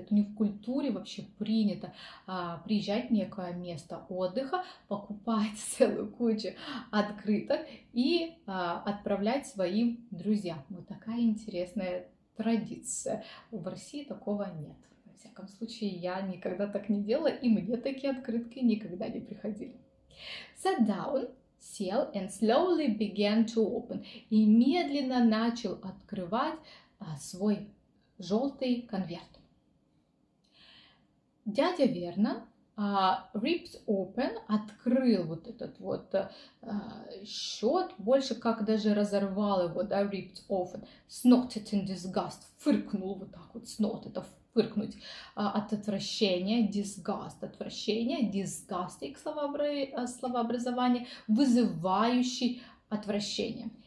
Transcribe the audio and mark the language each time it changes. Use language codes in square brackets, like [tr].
[ru] Это не в культуре вообще принято приезжать в некое место отдыха, покупать целую кучу открыток и отправлять своим друзьям. Вот такая интересная традиция. В России такого нет. Во всяком случае, я никогда так не делала, и мне такие открытки никогда не приходили. [en] Sat down, [ru] сел, [en] and slowly began to open. [ru] И медленно начал открывать свой желтый конверт. Дядя Вернон [en] ripped open, [ru] открыл вот этот вот счет, больше как даже разорвал его, да, ripped open, [en] snorted in disgust, [ru] фыркнул вот так вот, snort, это фыркнуть, от отвращения, disgust, отвращение, disgusting, словообразование, вызывающий отвращение.